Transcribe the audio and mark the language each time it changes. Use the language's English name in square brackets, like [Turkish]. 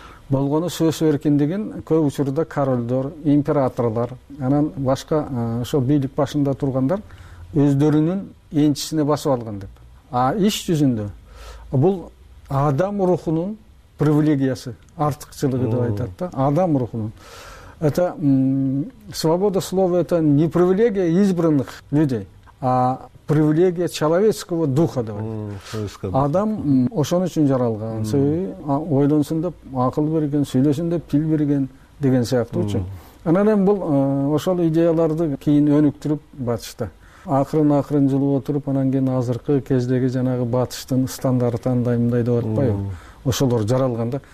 [Kyrgyz] Болгону сөз эркиндигин көп учурда королдор, императорлор, анан башка ошо бийлик башында тургандар өздөрүнүн энчисине басып алган деп. А иш жүзүндө бул адам рухунун привилегиясы, артыкчылыгы деп айтат да, адам рухунун. [Russian] Это свобода слова это не привилегия избранных людей, а привилегия человеческого духа деп айтат. [Kyrgyz] Адам ошон үчүн жаралган. Себеби ойлонсун деп акыл берген, сүйлөсүн деп тил берген деген сыяктуучу. Анан эми бул ошол идеяларды кийин өнүктүрүп батышта. Акырын-акырын жылып отуруп, анан кийин азыркы кездеги жанагы батыштын стандарты андай мындай деп атпайбы? Ошолор жаралган да.